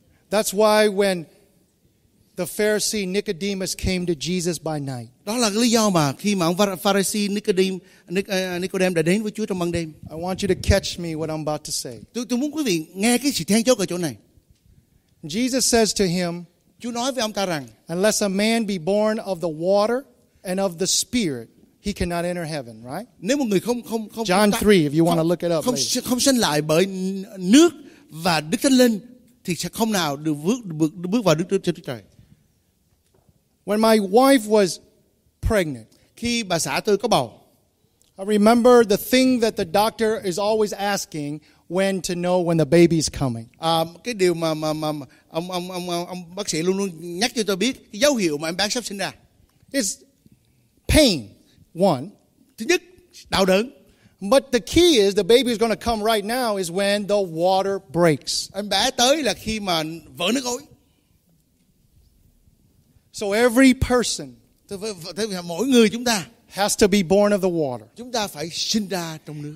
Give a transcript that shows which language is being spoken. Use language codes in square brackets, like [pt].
[en] That's why when the Pharisee Nicodemus came to Jesus by night. [vi] Đó là lý do mà khi mà ông Pharisee Nicodem đã đến với Chúa trong ban đêm. [en] I want you to catch me what I'm about to say. [vi] Tôi muốn quý vị nghe cái sự then chốt ở chỗ này. [en] Jesus says to him, [vi] Chúa nói với ông ta rằng, [en] unless a man be born of the water and of the spirit, he cannot enter heaven, right? [vi] Nếu một người không [en] John 3 if you want to look it up. [vi] Không sinh lại bởi nước và Đức Thánh Linh thì sẽ không nào được bước vào Đức Trời. [en] When my wife was pregnant, [vi] khi bà xã tôi có bầu, [en] I remember the thing that the doctor is always asking when to know when the baby is coming. [vi] Cái điều mà ông bác sĩ luôn luôn nhắc cho tôi biết cái dấu hiệu mà em bé sắp sinh ra. [en] It's pain, one. [vi] Thứ nhất, đau đớn. [en] But the key is the baby is going to come right now is when the water breaks. [vi] Em bé tới là khi mà vỡ nước ối. [en] So every person, [vi] mỗi người chúng ta [en] has to be born of the water. [vi] Chúng ta phải sinh ra trong nước.